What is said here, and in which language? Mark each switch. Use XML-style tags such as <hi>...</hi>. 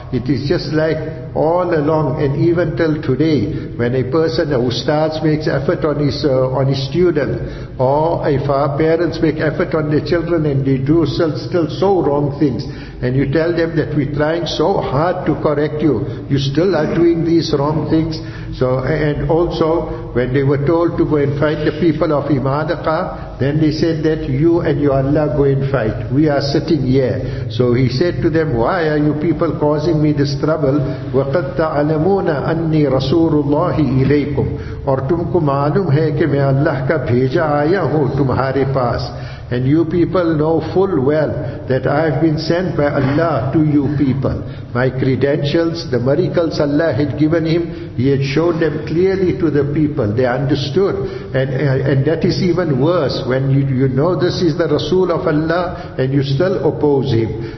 <en>It is just like all along and even till today, when a person, a ustaz, makes effort on his student, or if our parents make effort on their children and they do still so wrong things, and you tell them that we're trying so hard to correct you, you still are doing these wrong things. So, and also, when they were told to go and fight the people of Imadaka, then they said that you and your Allah go and fight. We are sitting here. So he said to them, why are you people causing me this trouble?</en> <ar>وَقَدْ تَعْلَمُونَ أَنِّي رَسُولُ اللَّهِ إِلَيْكُمْ</ar> <ur>اور تم کو معلوم ہے کہ میں اللہ کا بھیجا آیا ہوں تمہارے پاس.</ur> <en>And you people know full well that I have been sent by Allah to you people. My credentials, the miracles Allah had given him, he had shown them clearly to the people. They understood. And that is even worse when you know this is the Rasul of Allah and you still oppose him.</en>